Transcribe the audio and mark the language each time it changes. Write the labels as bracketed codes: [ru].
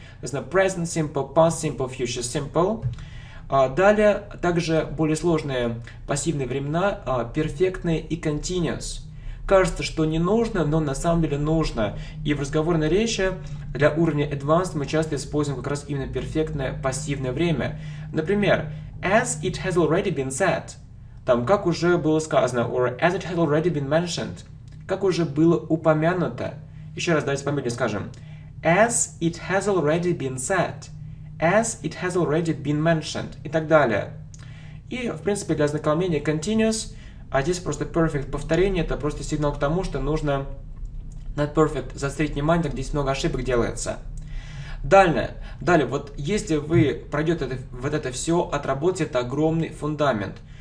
[en] Present simple, past simple, future simple. [ru] Далее, также более сложные пассивные времена, перфектные и continuous. Кажется, что не нужно, но на самом деле нужно. И в разговорной речи для уровня advanced мы часто используем как раз именно перфектное пассивное время. Например, [en] as it has already been said, [ru] там как уже было сказано, [en] or as it has already been mentioned, [ru] как уже было упомянуто. Еще раз давайте помедленнее скажем. [en] As it has already been said. As it has already been mentioned, [ru] и так далее. И, в принципе, для ознакомления continuous, а здесь просто perfect повторение, это просто сигнал к тому, что нужно на perfect заострить внимание, так здесь много ошибок делается. Далее, вот если вы пройдете это все, отработаете, это огромный фундамент.